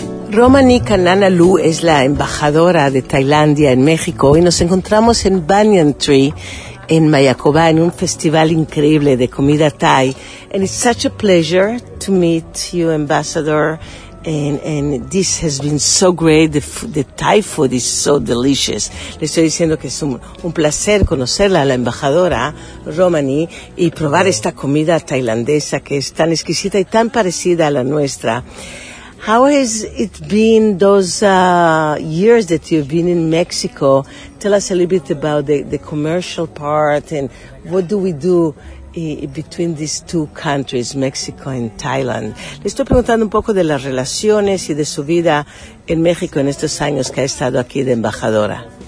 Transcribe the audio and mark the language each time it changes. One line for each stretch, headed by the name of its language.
Spanish: Romani Kananalu es la embajadora de Tailandia en México y nos encontramos en Banyan Tree en Mayakoba, en un festival increíble de comida Thai.
English: And it's such a pleasure to meet you, Ambassador. And this has been so great. The Thai food is so delicious.
Spanish: Le estoy diciendo que es un placer conocerla, la embajadora Romani, y probar esta comida tailandesa que es tan exquisita y tan parecida a la nuestra.
English: How has it been those years that you've been in Mexico? Tell us a little bit about the commercial part and what do we do between these two countries, Mexico and Thailand.
Spanish: Le estoy preguntando un poco de las relaciones y de su vida en México en estos años que ha estado aquí de embajadora.